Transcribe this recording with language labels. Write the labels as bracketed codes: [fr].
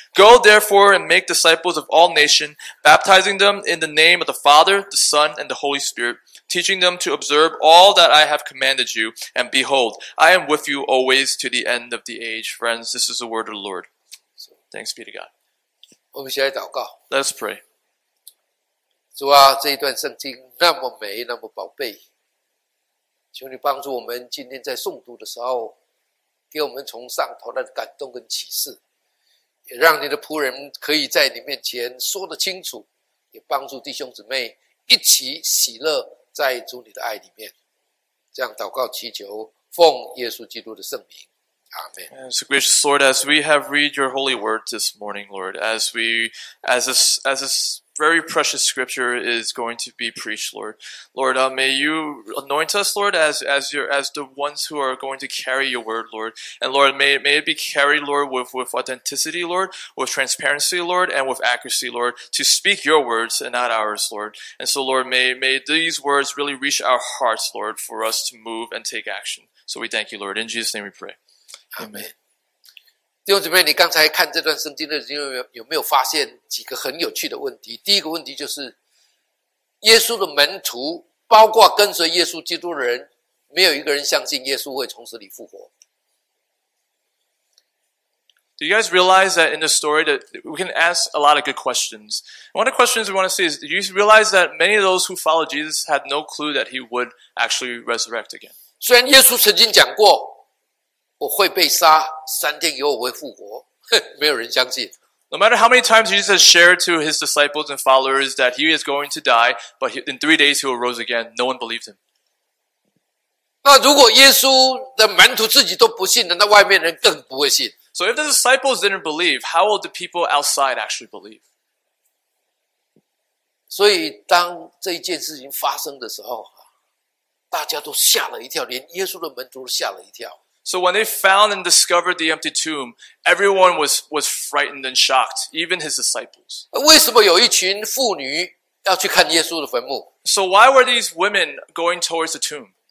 [en] Go therefore and make disciples of all nations, baptizing them in the name of the Father, the Son, and the Holy Spirit, teaching them to observe all that I have commanded you. And behold, I am with you always to the end of the age. Friends, this is the word of the Lord. Thanks be to God. [zh] 我们先来祷告。 [en] Let's pray. [zh] 主啊，这一段圣经那么美，那么宝贝，求你帮助我们今天在诵读的时候，给我们从上头来的感动跟启示，也让你的仆人可以在你面前说得清楚，也帮助弟兄姊妹一起喜乐在主你的爱里面。这样祷告祈求，奉耶稣基督的圣名。 [en] Amen. So gracious Lord, as we have read your holy word this morning, Lord, as this very precious scripture is going to be preached, Lord, may you anoint us, Lord, as the ones who are going to carry your word, Lord. And Lord, may it be carried, Lord, with authenticity, Lord, with transparency, Lord, and with accuracy, Lord, to speak your words and not ours, Lord. And so, Lord, may these words really reach our hearts, Lord, for us to move and take action. So we thank you, Lord. In Jesus' name we pray. Amen. [zh] 弟兄姊妹，你刚才看这段圣经的时候，有没有发现几个很有趣的问题？第一个问题就是，耶稣的门徒，包括跟随耶稣基督的人，没有一个人相信耶稣会从死里复活。 [en] Do you guys realize that in the story that we can ask a lot of good questions? One of the questions we want to see is, do you realize that many of those who followed Jesus had no clue that he would actually resurrect again? [zh] 虽然耶稣曾经讲过我会被杀，三天以后我会复活，没有人相信。 [en] No matter how many times Jesus has shared to his disciples and followers that he is going to die, but in 3 days he will rise again, no one believed him. [zh] 那如果耶稣的门徒自己都不信的，那外面人更不会信。 [en] So if the disciples didn't believe, how will the people outside actually believe? [zh] 所以当这一件事情发生的时候，大家都吓了一跳，连耶稣的门徒都吓了一跳。 [en] So when they found and discovered the empty tomb, everyone was frightened and shocked, even his disciples. [zh] 为什么有一群妇女要去看耶稣的坟墓？ [en] So why were these women going towards the tomb?